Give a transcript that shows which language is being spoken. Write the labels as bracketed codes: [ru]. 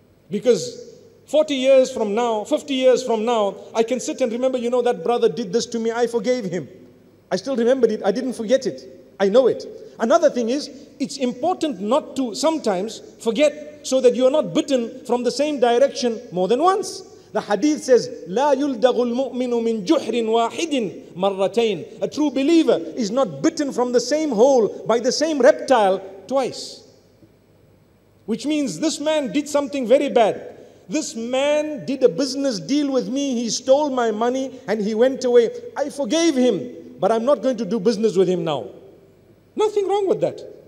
[en] Because 40 years from now, 50 years from now, I can sit and remember, you know, that brother did this to me, I forgave him. I still remembered it. I didn't forget it. I know it. Another thing is, it's important not to sometimes forget so that you are not bitten from the same direction more than once. The hadith says, [ar] لا يلدغ المؤمن من جحر واحد مرتين. [en] A true believer is not bitten from the same hole by the same reptile twice. Which means this man did something very bad. This man did a business deal with me. He stole my money and he went away. I forgave him. But I'm not going to do business with him now. Nothing wrong with that.